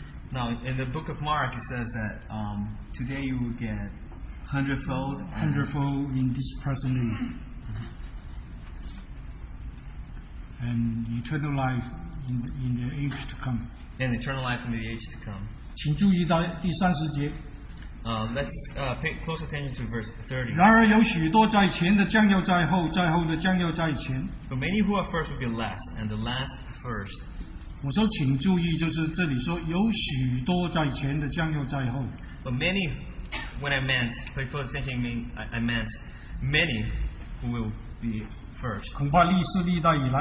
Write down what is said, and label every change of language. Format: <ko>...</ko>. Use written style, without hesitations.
<en>Now in the book of Mark it says that today you will get hundredfold in this present age, and eternal life in the age to come. And eternal life in the age to come.</en> <zh>请注意到第三十节。</zh> <en>Let's pay close attention to verse 30.</en> <zh>然而有许多在前的将要在后，在后的将要在前。</zh> <en>But many who are first will be last, and the last first.</en> <zh>我说请注意，就是这里说有许多在前的将要在后。</zh> <en>But many. When I meant, pay close attention, I meant many who will be first.</en>